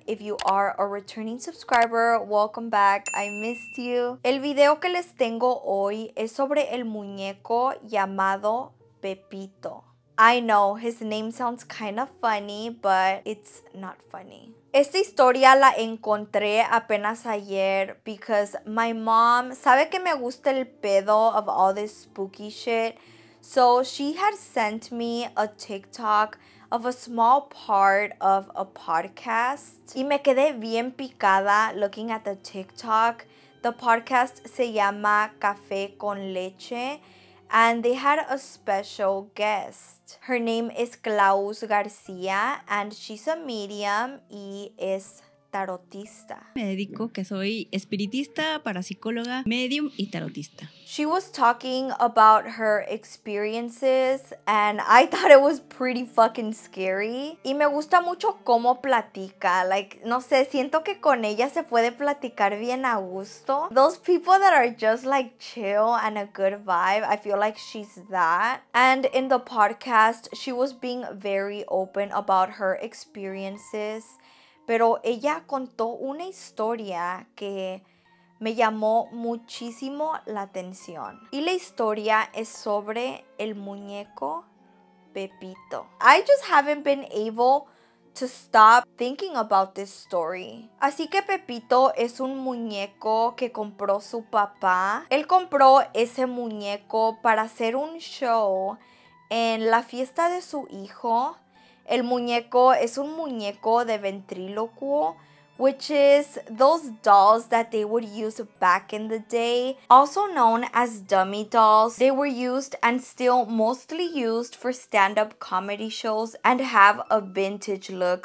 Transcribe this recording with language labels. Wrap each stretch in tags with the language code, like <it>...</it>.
<en>If you are a returning subscriber, welcome back. I missed you.</en> <es>El video que les tengo hoy es sobre el muñeco llamado Pepito.</es> <en>I know, his name sounds kind of funny, but it's not funny.</en> <es>Esta historia la encontré apenas ayer</es> <en>because my mom</en> <es>sabe que me gusta el pedo</es> <en>of all this spooky shit.</en> <es>So she had sent me a TikTok of a small part of a podcast. Y me quedé bien picada</es> <en>looking at the TikTok. The podcast</en> <es>se llama</es> <en>Café con Leche. And they had a special guest. Her name is Klaus Garcia and she's a medium</en> <es>y es tarotista. Me dedico que soy espiritista, parapsicóloga, medium y tarotista.</es> <en>She was talking about her experiences and I thought it was pretty fucking scary.</en> <es>Y me gusta mucho cómo platica. Like, no sé, siento que con ella se puede platicar bien a gusto.</es> <en>Those people that are just like chill and a good vibe, I feel like she's that. And in the podcast, she was being very open about her experiences.</en> <es>Pero ella contó una historia que me llamó muchísimo la atención. Y la historia es sobre el muñeco Pepito.</es> <en>I just haven't been able to stop thinking about this story.</en> <es>Así que Pepito es un muñeco que compró su papá. Él compró ese muñeco para hacer un show en la fiesta de su hijo. El muñeco es un muñeco de ventrílocuo,</es> <en>which is those dolls that they would use back in the day, also known as dummy dolls. They were used and still mostly used for stand-up comedy shows and have a vintage look.</en>